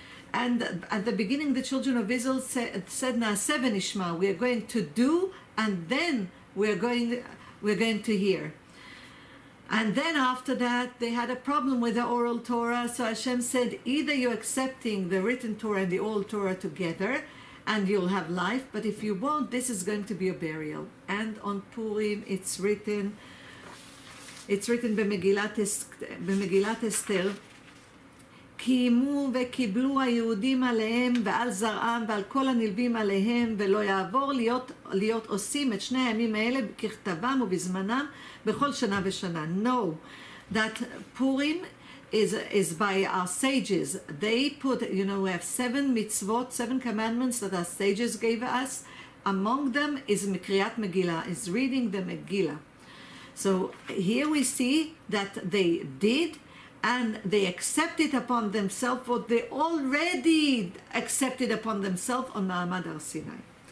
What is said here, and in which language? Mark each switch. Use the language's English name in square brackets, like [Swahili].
[English] And at the beginning, the children of Israel said, [Hebrew] "Na'aseh v'nishma," [English] we are going to do, and then we're going to hear. And then after that, they had a problem with the oral Torah. So Hashem said, either you're accepting the written Torah and the oral Torah together, and you'll have life. But if you won't, this is going to be a burial. [Hebrew] And on Purim, it's written b'Megilat Esther, קיימו וקיבלו היהודים עליהם ועל זרעם ועל כל הנלווים עליהם ולא יעבור להיות עושים את שני הימים האלה ככתבם ובזמנם בכל שנה ושנה. [English] No, that Purim is by our sages. They put, you know, we have seven mitzvot, seven commandments that our sages gave us. Among them is [Hebrew] מקריאת מגילה, [English] is reading the Megillah. So here we see that they did, and they accepted upon themselves what they already accepted upon themselves on Ma'amad Har Sinai.